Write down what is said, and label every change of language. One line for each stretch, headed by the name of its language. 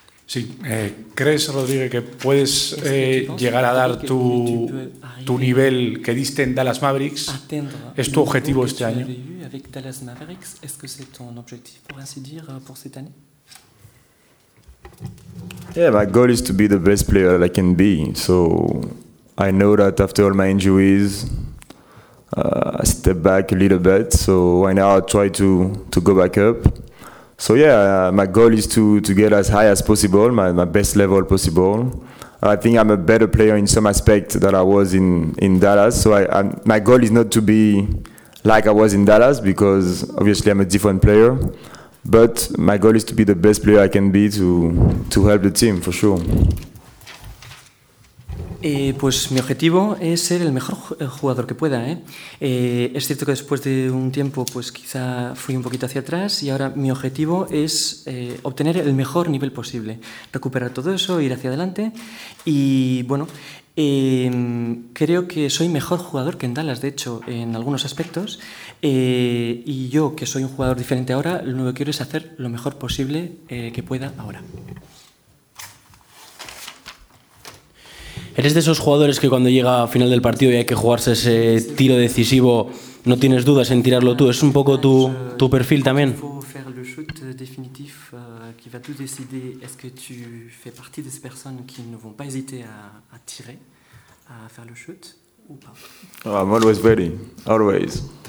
Spanish: Sí, ¿crees, Rodríguez, que puedes llegar a dar tu nivel que diste en Dallas Mavericks? ¿Es tu objetivo este año? Dallas Mavericks, ¿es que es tu objetivo, por así decir, por esta año?
English: Yeah, my goal is to be the best player I can be. So I know that after all my injuries, I step back a little bit. So why now I try to go back up. So yeah, my goal is to get as high as possible, my best level possible. I think I'm a better player in some aspect than I was in Dallas. So my goal is not to be like I was in Dallas, because obviously I'm a different player. But my goal is to be the best player I can be to help the team, for sure.
Spanish: Pues mi objetivo es ser el mejor jugador que pueda, ¿eh? Es cierto que después de un tiempo, pues quizá fui un poquito hacia atrás, y ahora mi objetivo es obtener el mejor nivel posible, recuperar todo eso, ir hacia adelante. Y bueno, creo que soy mejor jugador que en Dallas, de hecho, en algunos aspectos. Y yo, que soy un jugador diferente ahora, lo único que quiero es hacer lo mejor posible que pueda ahora. ¿Eres de esos jugadores que cuando llega a final del partido y hay que jugarse ese tiro decisivo, no tienes dudas en tirarlo tú? ¿Es un poco tu perfil también?
French: Qui va tout décider, est-ce que tu fais partie de ces personnes qui ne vont pas hésiter à tirer, à faire le shoot ou pas?
English: Oh, I'm always ready, always.